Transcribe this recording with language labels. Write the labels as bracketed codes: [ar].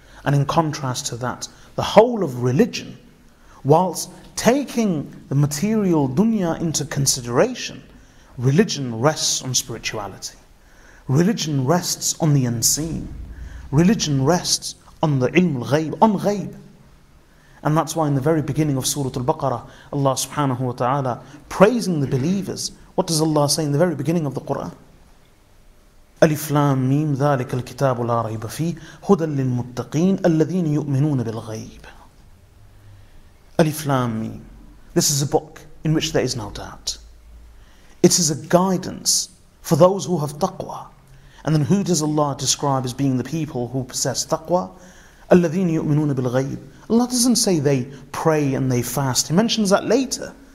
[en] And in contrast to that, the whole of religion, whilst taking the material dunya into consideration, religion rests on spirituality. Religion rests on the unseen. Religion rests on the ilm al-ghayb, on ghayb. And that's why in the very beginning of Surah Al-Baqarah, Allah subhanahu wa ta'ala, praising the believers, what does Allah say in the very beginning of the Qur'an? [ar] Alif Lam Mim, ذلك الكتاب لا ريب فيه هدى للمتقين الذين يؤمنون بالغيب. Alif Lam Mim. [en] This is a book in which there is no doubt. It is a guidance for those who have taqwa. And then who does Allah describe as being the people who possess taqwa? [ar] الذين يؤمنون بالغيب. [en] Allah doesn't say they pray and they fast. He mentions that later.